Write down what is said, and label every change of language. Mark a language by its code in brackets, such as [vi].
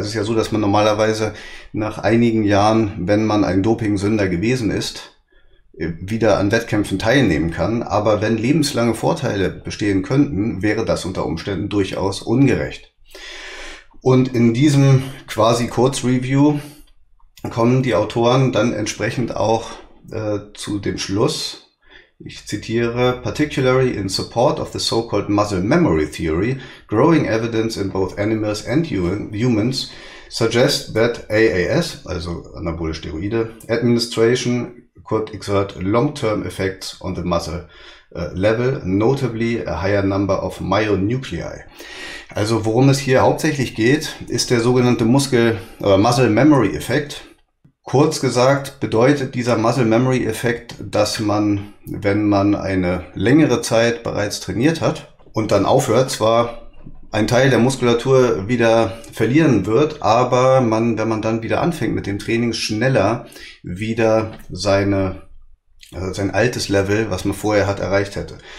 [de] Es ist ja so, dass man normalerweise nach einigen Jahren, wenn man ein Dopingsünder gewesen ist, wieder an Wettkämpfen teilnehmen kann. Aber wenn lebenslange Vorteile bestehen könnten, wäre das unter Umständen durchaus ungerecht. Und in diesem quasi Kurzreview kommen die Autoren dann entsprechend auch zu dem Schluss. Ich zitiere, [en] particularly in support of the so-called muscle memory theory, growing evidence in both animals and humans suggests that AAS, [de] also anabole Steroide, [en] administration could exert long-term effects on the muscle level, notably a higher number of myonuclei. [de] Also worum es hier hauptsächlich geht, ist der sogenannte Muscle Memory Effekt. Kurz gesagt bedeutet dieser Muscle Memory Effekt, dass man, wenn man eine längere Zeit bereits trainiert hat und dann aufhört, zwar einen Teil der Muskulatur wieder verlieren wird, aber man, wenn man dann wieder anfängt mit dem Training, schneller wieder sein altes Level, was man vorher hat, erreicht hätte.